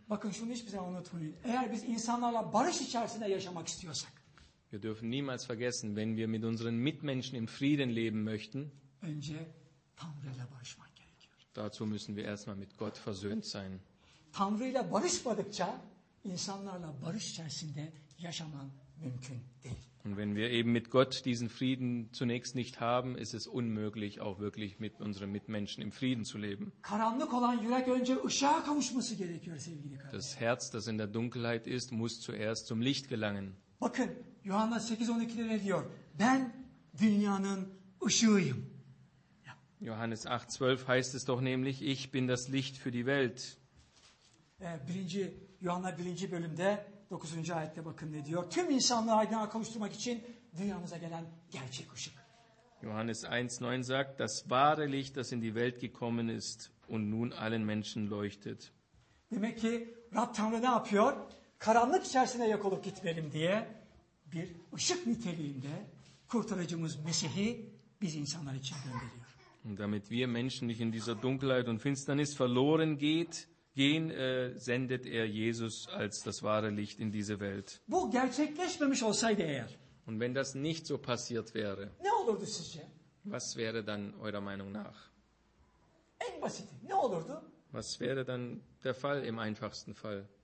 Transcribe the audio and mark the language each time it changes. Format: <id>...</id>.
<tr>Bakın şunu hiçbir zaman unutmayın. Eğer biz insanlarla barış içerisinde yaşamak istiyorsak,</tr> <de>wir dürfen niemals vergessen, wenn wir mit unseren Mitmenschen im Frieden leben möchten,</de> <tr>önce Tanrı'yla barışmak gerekiyor.</tr> <de>Dazu müssen wir erstmal mit Gott versöhnt sein.</de> <tr>Tanrı'yla barışmadıkça insanlarla barış içerisinde yaşaman mümkün değil.</tr> <de>Und wenn wir eben mit Gott diesen Frieden zunächst nicht haben, ist es unmöglich, auch wirklich mit unseren Mitmenschen im Frieden zu leben.</de> <tr>Karanlık olan yürek önce ışığa kavuşması gerekiyor sevgili kardeşim.</tr> <de>Das Herz, das in der Dunkelheit ist, muss zuerst zum Licht gelangen.</de> <tr>Bakın, Johannes 8:12'de ne diyor? Ben dünyanın ışığıyım.</tr> <de>Johannes 8:12 heißt es doch nämlich, ich bin das Licht für die Welt.</de> <tr>1. Yuhanna 1. bölümde 9. ayette bakın ne diyor. Tüm insanlığı aydınlığa kavuşturmak için dünyamıza gelen gerçek ışık.</tr> <de>Johannes 1,9 sagt, das wahre Licht, das in die Welt gekommen ist und nun allen Menschen leuchtet.</de> <tr>Demek ki Rab Tanrı ne yapıyor? Karanlık içerisine yok olup gitmeyelim diye bir ışık niteliğinde kurtarıcımız Mesih'i biz insanlar için gönderiyor.</tr> <de>Damit wir Menschen nicht in dieser Dunkelheit und Finsternis verloren gehen, sendet Jesus als das wahre Licht in diese Welt.</de> <tr>Bu gerçekleşmemiş olsaydı eğer.</tr> <de>Und wenn das nicht so passiert wäre,</de> <tr>ne olurdu sizce?</tr> <de>Was wäre dann eurer Meinung nach?</de> <tr>En basiti, ne olurdu?</tr> <de>Was wäre dann der Fall im einfachsten Fall?</de>